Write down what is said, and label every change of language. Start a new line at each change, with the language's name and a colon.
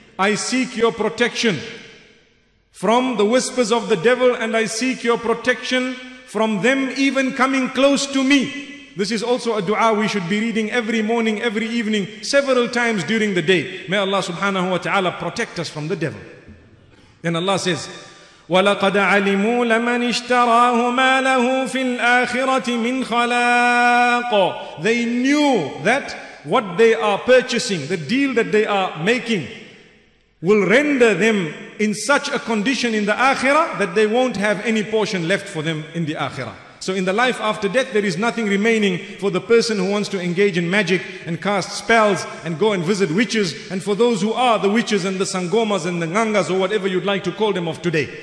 English: I seek your protection from the whispers of the devil, and I seek your protection from them even coming close to me. This is also a dua we should be reading every morning, every evening, several times during the day. May Allah subhanahu wa ta'ala protect us from the devil. Then Allah says,
Arabic: وَلَقَدْ عَلِمُوا لَمَنِ اشْتَرَاهُ مَا لَهُ فِي الْآخِرَةِ مِنْ خَلَاقُ.
English: They knew that what they are purchasing, the deal that they are making, will render them in such a condition in the Akhirah that they won't have any portion left for them in the Akhirah. So in the life after death, there is nothing remaining for the person who wants to engage in magic and cast spells and go and visit witches, and for those who are the witches and the sangomas and the ngangas or whatever you'd like to call them of today.